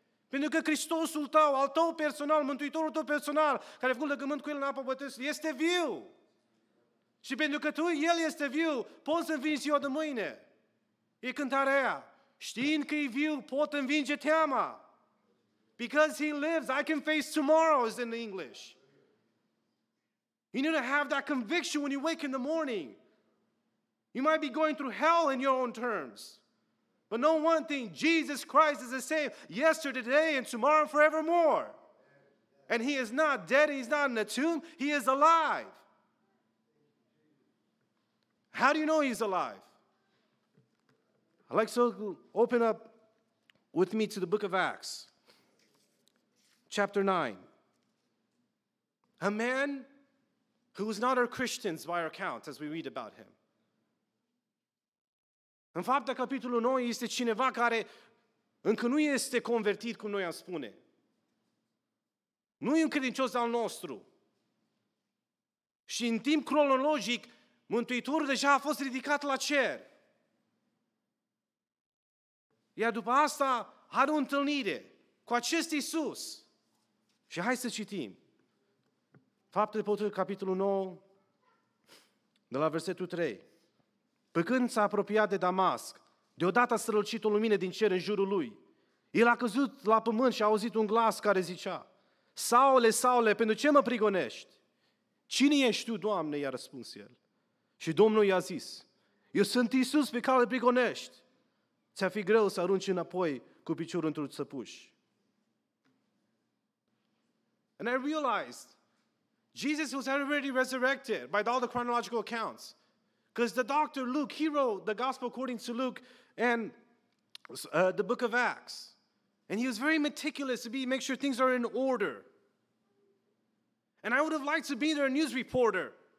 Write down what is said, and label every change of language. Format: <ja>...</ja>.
<ro>Pentru că Hristosul tău, al tău personal, mântuitorul tău personal, care a făcut legământ cu el în apă botezului, este viu. Și pentru că tu, el este viu, poți să învingi ziua de mâine. E cântarea aia. Știind că e viu, pot învinge teama.</ro> <en>Because he lives, I can face tomorrow, is in the English. You need to have that conviction when you wake in the morning. You might be going through hell in your own terms. But know one thing, Jesus Christ is the same yesterday, today, and tomorrow, forevermore. And he is not dead, he's not in the tomb, he is alive. How do you know he's alive? I'd like to open up with me to the book of Acts. Chapter 9. A man who was not a Christian by our account, as we read about him.</en> <ro>În fapta capitolul 9 este cineva care încă nu este convertit, cum noi am spune. Nu e un credincios al nostru. Și în timp cronologic, Mântuitorul deja a fost ridicat la cer. Iar după asta are o întâlnire cu acest Iisus. Și hai să citim. Faptele Apostolilor, capitolul 9, de la versetul 3. Pe când s-a apropiat de Damasc, deodată a strălucit o lumină din cer în jurul lui. El a căzut la pământ și a auzit un glas care zicea: Saule, Saule, pentru ce mă prigonești? Cine ești tu, Doamne? I-a răspuns el. Și Domnul i-a zis: Eu sunt Iisus pe care îl prigonești. Ți-a fi greu să arunci înapoi cu piciorul într-un țăpuș.</ro> <en>And I realized Jesus was already resurrected by all the chronological accounts. Because the doctor Luke, he wrote the gospel according to Luke and the book of Acts. And he was very meticulous to make sure things are in order. And I would have liked to be their news reporter.</en>